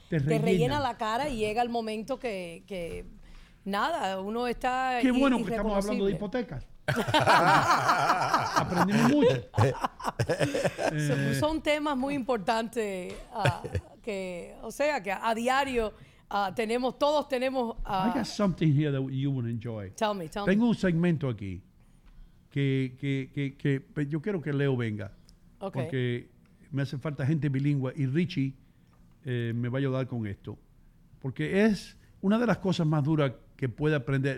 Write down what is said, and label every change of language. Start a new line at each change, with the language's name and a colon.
Spanish: Que te rellena la cara y llega el momento que nada, uno está. Qué bueno que estamos hablando de hipotecas. Aprendimos mucho. Son temas muy importantes que, o sea, que a diario. Tenemos.
English: I got something here that you would enjoy. Tell me.
Spanish: Tengo un segmento aquí que yo quiero que Leo venga. Okay. Porque me hace falta gente bilingüe y Richie me va a ayudar con esto. Porque es una de las cosas más duras que puede aprender.